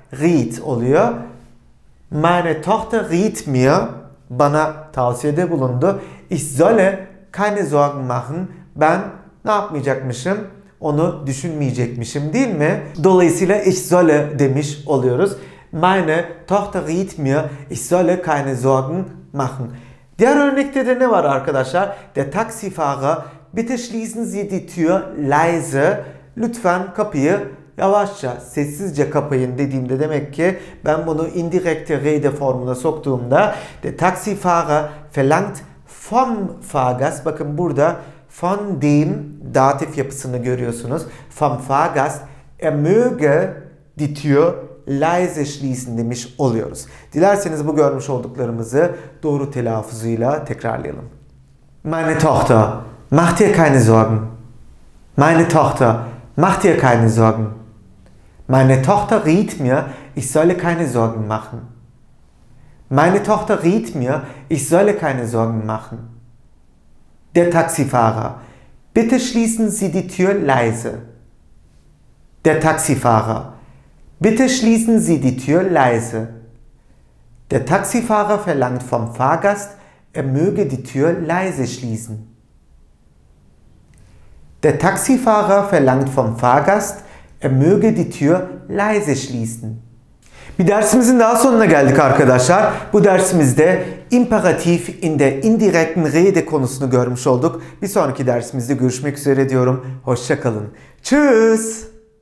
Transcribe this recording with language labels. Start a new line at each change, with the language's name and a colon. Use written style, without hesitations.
Turkish: Riet oluyor.
German: Meine Tochter riet mir,
Turkish: bana tavsiyede bulundu.
German: Ich solle keine Sorgen machen,
Turkish: ben ne yapmayacakmışım? Onu düşünmeyecekmişim değil mi? Dolayısıyla
German: ich solle
Turkish: demiş oluyoruz.
German: Meine Tochter riet mir, ich solle keine Sorgen machen.
Turkish: Diğer örnekte de ne var arkadaşlar?
German: Der Taxifahrer, bitte schließen Sie die Tür leise.
Turkish: Lütfen kapıyı yavaşça, sessizce kapayın dediğimde demek ki ben bunu indirekte rede formuna soktuğumda
German: der Taxifahrer verlangt vom Fahrgast.
Turkish: Bakın burada von dem datif yapısını görüyorsunuz.
German: Vom Fahrgast, er möge die Tür leise schließen
Turkish: demiş oluyoruz. Dilerseniz bu görmüş olduklarımızı doğru telaffuzuyla tekrarlayalım.
German: Meine Tochter, mach dir keine Sorgen. Meine Tochter, mach dir keine Sorgen. Meine Tochter riet mir, ich solle keine Sorgen machen. Meine Tochter riet mir, ich solle keine Sorgen machen. Der Taxifahrer, bitte schließen Sie die Tür leise. Der Taxifahrer, bitte schließen Sie die Tür leise. Der Taxifahrer verlangt vom Fahrgast, er möge die Tür leise schließen. Der Taxifahrer verlangt vom Fahrgast, er möge die Tür leise schließen.
Turkish: Bir dersimizin daha sonuna geldik arkadaşlar. Bu dersimizde imperatif
German: in der indirekten Rede
Turkish: konusunu görmüş olduk. Bir sonraki dersimizde görüşmek üzere diyorum. Hoşça kalın.
German: Tschüss.